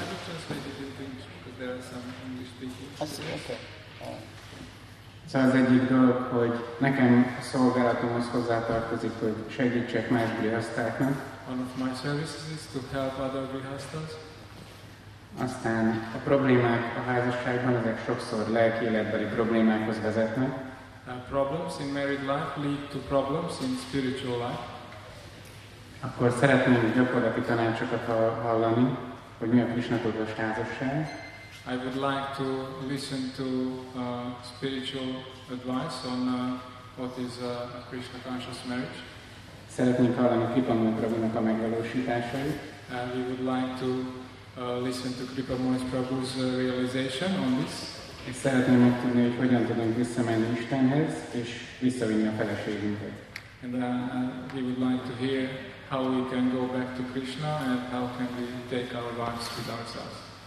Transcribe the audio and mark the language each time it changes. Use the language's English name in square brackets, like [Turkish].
[English] I just translated it into English because there are some English speakers. [Hungarian] Az egyik dolog, hogy nekem a szolgálatomhoz hozzátartozik, hogy segítsek más grihasztáknak. [English] One of my services is to help other grihasthas. [Hungarian] Aztán a problémák a házasságban, ezek sokszor lelkiéletbeli problémákhoz vezetnek. [English] Problems in married life lead to problems in spiritual life. [Hungarian] Akkor szeretném gyakorlati tanácsokat hallani, hogy mi a Krisna-tudatos házasság. [English] I would like to listen to spiritual advice on what is a Krishna-conscious marriage. [Hungarian] Szeretnénk hallani Kripamoni Prabhunak a megvalósításait. [English] And we would like to listen to Kripamoni Prabhu's realization on this. [Hungarian] És szeretném megtudni, hogy hogyan tudunk visszamenni Istenhez, és visszavinni a feleségünket. [English] And we would like to hear how we can go back to Krishna and how can we take our lives with ourselves.